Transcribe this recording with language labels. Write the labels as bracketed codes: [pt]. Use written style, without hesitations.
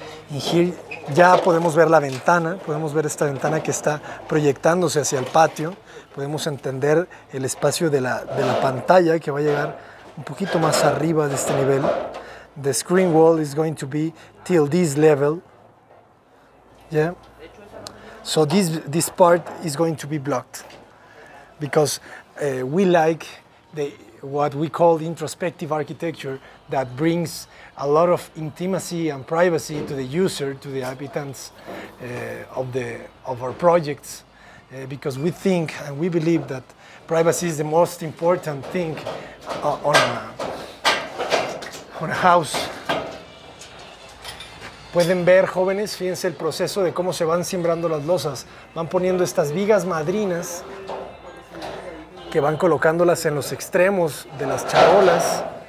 [es] Y aquí ya podemos ver la ventana, podemos ver esta ventana que está proyectándose hacia el patio. Podemos entender el espacio de la pantalla que va a llegar un poquito más arriba de este nivel. [en] The screen wall is going to be till this level. Yeah. So this part is going to be blocked because we like the what we call introspective architecture that brings a lot of intimacy and privacy to the user, to the habitants of our projects, because we think and we believe that privacy is the most important thing on a house. [es] Pueden ver, jóvenes, fíjense el proceso de cómo se van simbrando las losas. Van poniendo estas vigas madrinas que van colocándolas en los extremos de las charolas.